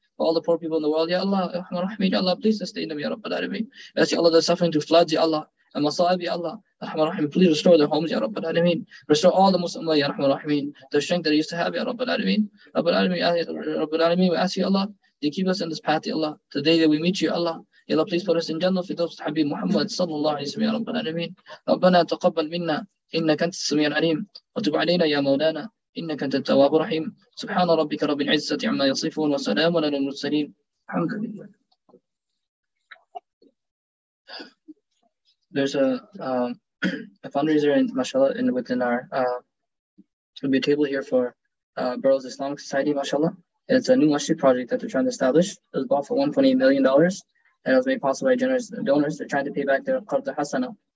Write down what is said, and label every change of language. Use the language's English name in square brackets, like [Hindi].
[English] For all the poor people in the world, Ya Allah, Ya Rahman Rahimeen, Ya Allah, please sustain them, Ya Rabbul Alameen. We ask, Ya Allah, they're suffering through floods, Ya Allah. And masaib, Ya Allah, Ya Rahman Rahimeen, please restore their homes, Ya Rabbul Alameen. Restore all the Muslim, Ya Rahman Rahimeen. The strength that they used to have, Ya Rabbul Alameen. Rabbul Alameen, we ask, Ya Allah, to keep us in this path, Ya Allah. The day that we meet you, Ya Allah. [Arabic] يا الله [English] please put us in Jannah [Arabic] Fidawsi Habib Muhammad صلى الله عليه وسلم يا رب العالمين ربنا تقبل منا إنك أنت السميع العليم وتب علينا يا مولانا إنك أنت التواب الرحيم سبحان ربك رب العزة عما يصفون وسلام على المرسلين الحمد لله. [English] There's a fundraiser in mashallah in within our there'll be a table here for Burroughs Islamic Society mashallah. It's a new masjid project that they're trying to establish. It was bought for $1.8 million. And it was made possible by generous donors. They're trying to pay back their Qarz Hasana.